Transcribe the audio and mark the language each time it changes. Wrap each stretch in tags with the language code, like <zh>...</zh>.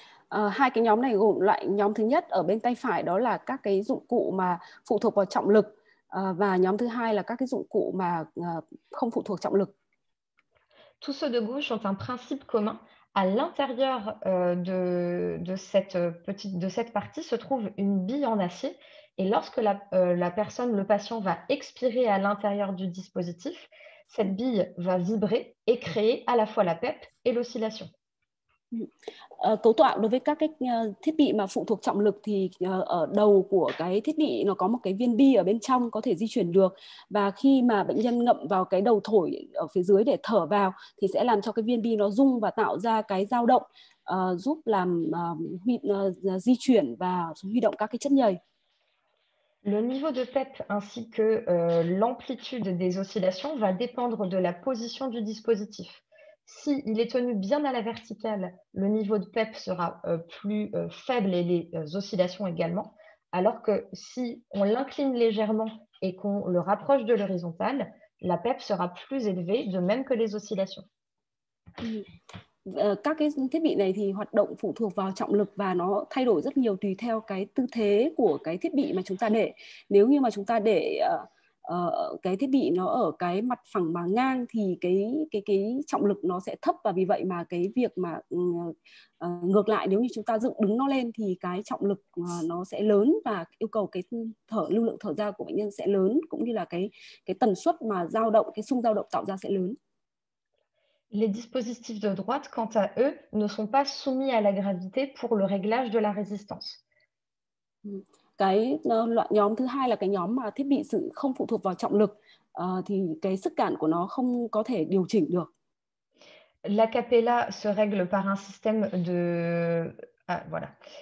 <vi>Hai cái nhóm này gồm loại nhóm thứ nhất ở bên tay phải đó là các cái dụng cụ mà phụ thuộc vào trọng lực và nhóm thứ hai là các cái dụng cụ mà không phụ thuộc trọng lực.</vi> <fr>Tous ceux de gauche ont un principe commun. À l'intérieur de cette partie se trouve une bille en acier. Et lorsque la personne, le patient, va expirer à l'intérieur du dispositif, cette bille va vibrer et créer à la fois la PEP et l'oscillation.</fr> <vi>Cấu tạo đối với các cái thiết bị mà phụ thuộc trọng lực thì ở đầu của cái thiết bị nó có một cái viên bi ở bên trong có thể di chuyển được và khi mà bệnh nhân ngậm vào cái đầu thổi ở phía dưới để thở vào thì sẽ làm cho cái viên bi nó rung và tạo ra cái dao động giúp làm di chuyển và huy động các cái chất nhầy.</vi> <fr>Le niveau de PEP ainsi que l'amplitude des oscillations va dépendre de la position du dispositif. S'il est tenu bien à la verticale, le niveau de PEP sera plus faible et les oscillations également, alors que si on l'incline légèrement et qu'on le rapproche de l'horizontale, la PEP sera plus élevée, de même que les oscillations.</fr> <vi>Các cái thiết bị này thì hoạt động phụ thuộc vào trọng lực và nó thay đổi rất nhiều tùy theo cái tư thế của cái thiết bị mà chúng ta để. Nếu như mà chúng ta để cái thiết bị nó ở cái mặt phẳng mà ngang thì cái trọng lực nó sẽ thấp và vì vậy mà cái việc mà ngược lại nếu như chúng ta dựng đứng nó lên thì cái trọng lực nó sẽ lớn và yêu cầu cái thở lưu lượng thở ra của bệnh nhân sẽ lớn cũng như là cái tần suất mà dao động cái xung dao động tạo ra sẽ lớn.</vi> <fr>Les dispositifs de droite, quant à eux, ne sont pas soumis à la gravité pour le réglage de la résistance.</fr> <vi>Cái loại nhóm thứ hai là cái nhóm mà thiết bị sự không phụ thuộc vào trọng lực thì cái sức cản của nó không có thể điều chỉnh được.</vi> <fr>L'acapella se règle par un système de. Ah, voilà.</fr>